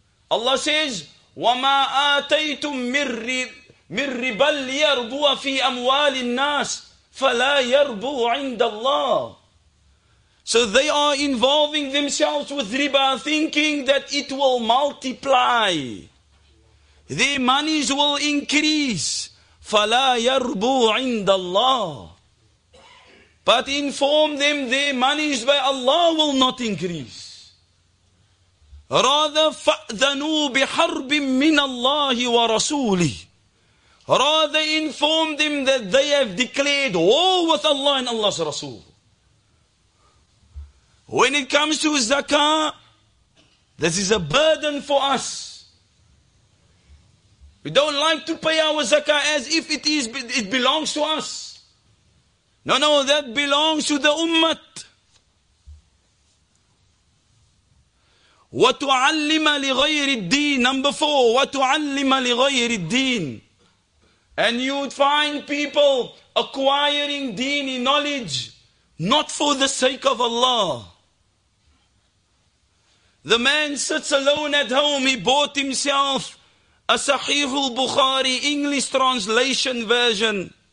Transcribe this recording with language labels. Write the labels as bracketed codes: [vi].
[en] Allah says, [ar] وَمَا آتَيْتُم مِن رِبَا لِيَرْبُوَ فِي أَمْوَالِ النَّاسِ فَلَا يَرْبُوا عِنْدَ اللَّهِ. [en] So they are involving themselves with riba, thinking that it will multiply. Their monies will increase. [ar] فَلَا يَرْبُوا عِنْدَ اللَّهِ. [en] But inform them their monies by Allah will not increase. Rather, [ar] fa'dhanu biharbin min Allah wa rasuli. [en] Rather, inform them that they have declared war with Allah and Allah's Rasul. When it comes to zakah, this is a burden for us. We don't like to pay our zakah as if it belongs to us. No, that belongs to the ummah. [ar] وَتُعَلِّمَ لِغَيْرِ الدِّينِ. [en] Number four, [ar] وَتُعَلِّمَ لِغَيْرِ الدِّينِ. [en] And you'd find people acquiring deeni knowledge not for the sake of Allah. The man sits alone at home, he bought himself a Sahih al-Bukhari English translation version.